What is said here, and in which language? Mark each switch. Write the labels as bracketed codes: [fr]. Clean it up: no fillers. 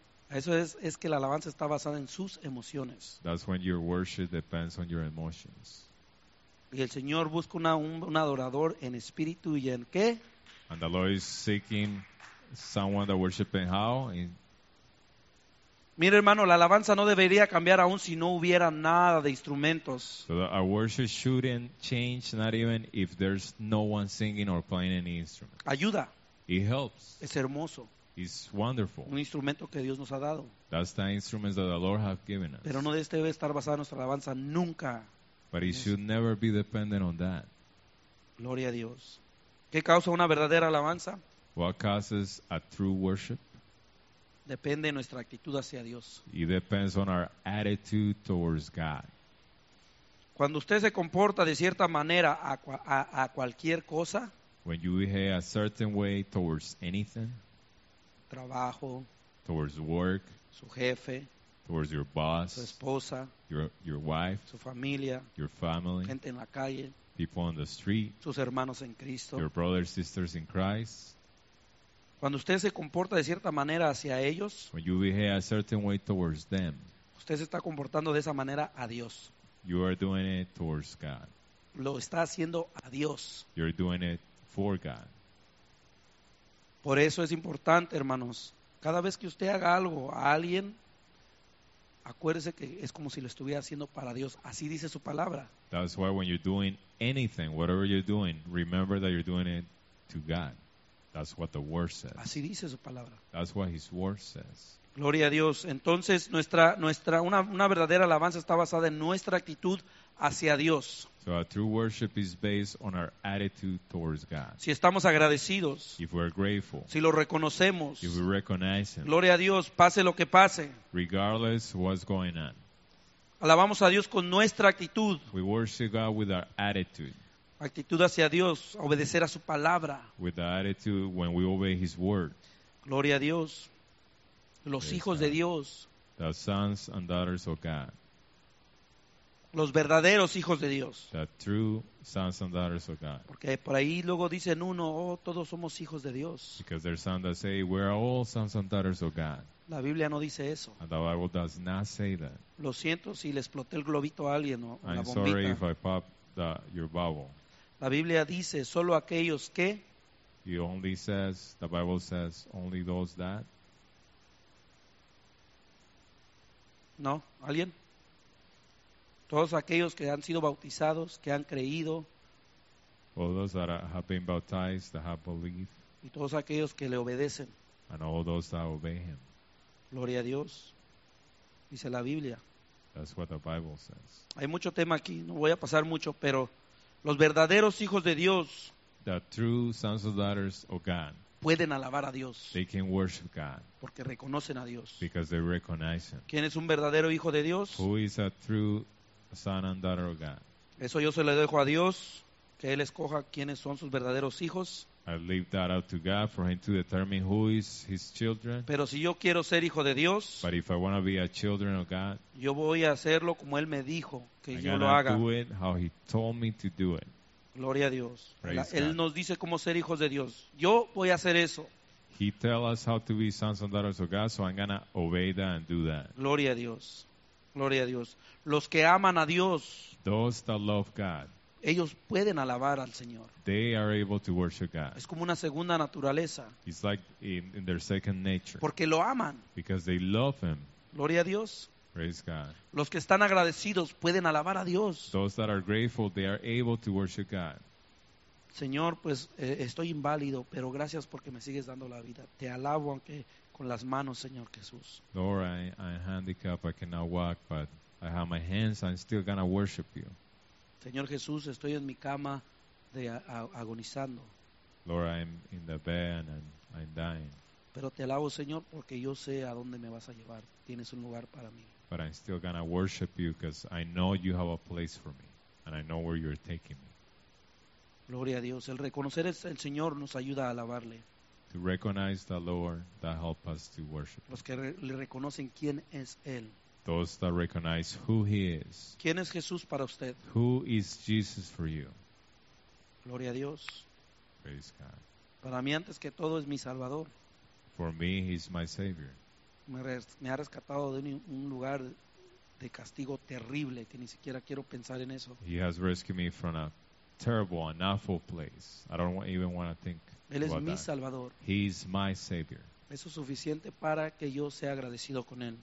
[es] Eso es que la alabanza está basada en sus emociones. [en] That's when your worship depends on your emotions. [es] Y el Señor busca un adorador en espíritu y en qué? [en] And the Lord is seeking someone that worships in how? [es] Mira, hermano, la alabanza no debería cambiar aún si no hubiera nada de instrumentos. [en] So our worship shouldn't change, not even if there's no one singing or playing any instrument. [es] Ayuda. [en] It helps. [es] Es hermoso. [en] It's wonderful. [es] Un instrumento que Dios nos ha dado. [en] That's the instruments that the Lord has given us. [es] Pero no debe estar basada nuestra alabanza nunca. [en] But it should never be dependent on that. [es] Gloria a Dios. ¿Qué causa una verdadera alabanza? [en] What causes a true worship? [es] Depende de nuestra actitud hacia Dios. [en] It depends on our attitude towards God. [es] Cuando usted se comporta de cierta manera a cualquier cosa, [en] when you behave a certain way towards anything, [es] trabajo, [en] towards work, [es] su jefe, [en] towards your boss, [es] su esposa, [en] your wife, [es] su familia, [en] your family, [es] gente en la calle, [en] people on the street, [es] sus hermanos en Cristo, [en] your brothers, sisters in Christ. [es] Cuando usted se comporta de cierta manera hacia ellos, [en] when you behave a certain way towards them, [es] usted se está comportando de esa manera a Dios. [en] You are doing it towards God. [es] Lo está haciendo a Dios. [en] You're doing it for God. [es] Por eso es importante, hermanos, cada vez que usted haga algo a alguien, acuérdese que es como si lo estuviera haciendo para Dios. Así dice su palabra. [en] That's why when you're doing anything, whatever you're doing, remember that you're doing it to God. That's what the word says. [es] Así dice su palabra. [en] That's what his word says. [es] Gloria a Dios. Entonces, una verdadera alabanza está basada en nuestra actitud hacia Dios. [en] So our true worship is based on our attitude towards God. [es] Si estamos agradecidos. [en] If we're grateful. [es] Si lo reconocemos. [en] If we recognize him. [es] Gloria a Dios, pase lo que pase. [en] Regardless what's going on. [es] Alabamos a Dios con nuestra actitud. [en] We worship God with our attitude. [es] Actitud hacia Dios, obedecer a su palabra. [en] With the attitude when we obey his word. [es] Gloria a Dios. Los hijos de Dios. [en] The sons and daughters of God. [es] Los verdaderos hijos de Dios. [en] The true sons and daughters of God. [es] Porque por ahí luego dicen uno, oh, todos somos hijos de Dios. [en] Because there's some that say we're all sons and daughters of God. [es] La Biblia no dice eso. [en] And the Bible does not say that. [es] Lo siento si le exploté el globito a alguien o la bombita. [en] I'm sorry if I popped your bubble. [es] La Biblia dice solo aquellos que. [en] It only says, the Bible says, only those that. [es] No, alguien. Todos aquellos que han sido bautizados, que han creído. [en] All those that have been baptized, that have believed. [es] Y todos aquellos que le obedecen. [en] And all those that obey him. [es] Gloria a Dios. Dice la Biblia. [en] That's what the Bible says. [es] Hay mucho tema aquí, no voy a pasar mucho, pero los verdaderos hijos de Dios. [en] The true sons and daughters of God. [es] Pueden alabar a Dios. [en] They can worship God. [es] Porque reconocen a Dios. [en] Because they recognize him. [es] ¿Quién es un verdadero hijo de Dios? [en] Who is a true son and daughter of God. [es] Eso yo se lo dejo a Dios, que él escoja quiénes son sus verdaderos hijos. [en] I leave that out to God for him to determine who is his children. [es] Pero si yo quiero ser hijo de Dios, [en] but if I want to be a children of God, [es] yo voy a hacerlo como él me dijo que yo lo haga. [en] I'm going to do it how he told me to do it. [es] Gloria a Dios. [en] Praise God. [es] Él nos dice cómo ser hijos de Dios. Yo voy a hacer eso. [en] He tells us how to be sons and daughters of God, so I'm going to obey that and do that. [es] Gloria a Dios. Gloria a Dios. Los que aman a Dios. [en] Those that love God. [es] Ellos pueden alabar al Señor. [en] They are able to worship God. [es] Es como una segunda naturaleza. [en] It's like in their second nature. [es] Porque lo aman. [en] Because they love him. [es] Gloria a Dios. [en] Praise God. [es] Los que están agradecidos pueden alabar a Dios. [en] Those that are grateful, they are able to worship God. [es] Señor, pues estoy inválido, pero gracias porque me sigues dando la vida. Te alabo aunque con las manos, Señor Jesús. [en] Lord, I'm handicapped. I cannot walk, but I have my hands. I'm still going to worship you. [es] Señor Jesús, estoy en mi cama agonizando. [en] Lord, I'm in the bed and I'm dying. [es] Pero te alabo, Señor, porque yo sé a dónde me vas a llevar. Tienes un lugar para mí. [en] But I'm still going to worship you because I know you have a place for me. And I know where you're taking me. [es] Gloria a Dios. El reconocer al Señor nos ayuda a alabarle. [en] To recognize the Lord, that helps us to worship. [es] Los que le reconocen quién es Él. [en] Those that recognize who he is. [es] ¿Quién es Jesús para usted? [en] Who is Jesus for you? [es] Gloria a Dios. [en] Praise God. [es] Para mí antes que todo es mi Salvador. [en] For me, he's my Savior. [es] Me ha rescatado de un lugar de castigo terrible que ni siquiera quiero pensar en eso. [en] He has rescued me from a terrible and awful place. I don't even want to think about that. [es] Él es mi Salvador. [en] He is my Savior. [es] Eso es suficiente para que yo sea agradecido con Él.